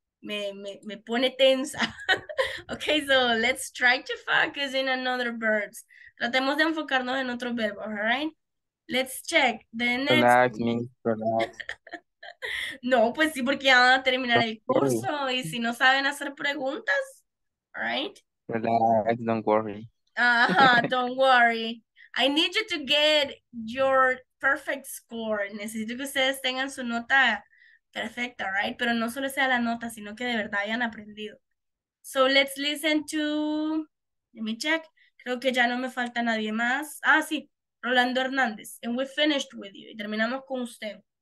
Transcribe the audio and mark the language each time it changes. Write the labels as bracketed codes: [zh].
[es] Me pone tensa. [en] Okay, so let's try to focus in another verbs. [es] Tratemos de enfocarnos en otro verbo, [en] all right? Let's check the next. Relax, me, relax. [es] No, pues sí, porque ya van a terminar el curso y si no saben hacer preguntas, all right? [en] Relax, don't worry. Don't worry. I need you to get your perfect score. [es] Necesito que ustedes tengan su nota perfecta, right? Pero no solo sea la nota, sino que de verdad hayan aprendido. [en] So let's listen to, let me check. [es] Creo que ya no me falta nadie más. Ah, sí, Rolando Hernández. [en] And we finished with you. [es] Y terminamos con usted.